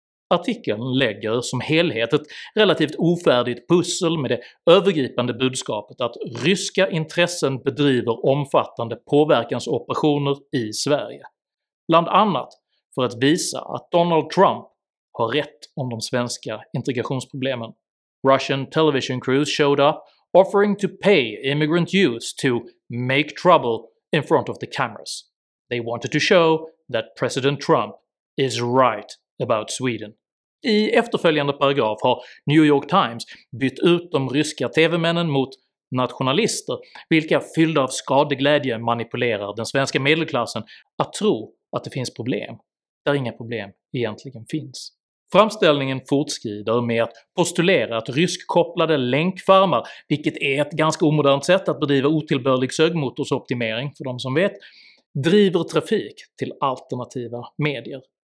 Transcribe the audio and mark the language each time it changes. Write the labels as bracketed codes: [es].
[sv] Artikeln lägger som helhet ett relativt ofärdigt pussel med det övergripande budskapet att ryska intressen bedriver omfattande påverkansoperationer i Sverige, bland annat för att visa att Donald Trump har rätt om de svenska integrationsproblemen. [en] Russian television crews showed up, offering to pay immigrant youths to make trouble in front of the cameras. They wanted to show that President Trump is right about Sweden. [sv] I efterföljande paragraf har New York Times bytt ut de ryska TV-männen mot nationalister, vilka fyllda av skadeglädje manipulerar den svenska medelklassen att tro att det finns problem där inga problem egentligen finns. Framställningen fortskrider med att postulera att rysk-kopplade länkfarmar, vilket är ett ganska omodernt sätt att bedriva otillbörlig sökmotorsoptimering för de som vet, driver trafik till alternativa medier.